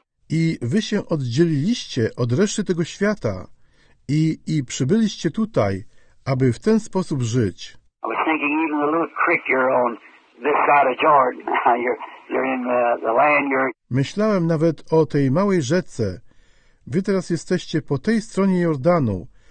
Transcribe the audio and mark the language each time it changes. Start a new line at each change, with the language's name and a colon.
Polish: I wy się oddzieliliście od reszty tego świata i przybyliście tutaj, aby w ten sposób żyć.
English: I was thinking even the little creek you're on this side of Jordan. You're in the land you're...
Polish: Myślałem nawet o tej małej rzece. Wy teraz jesteście po tej stronie Jordanu.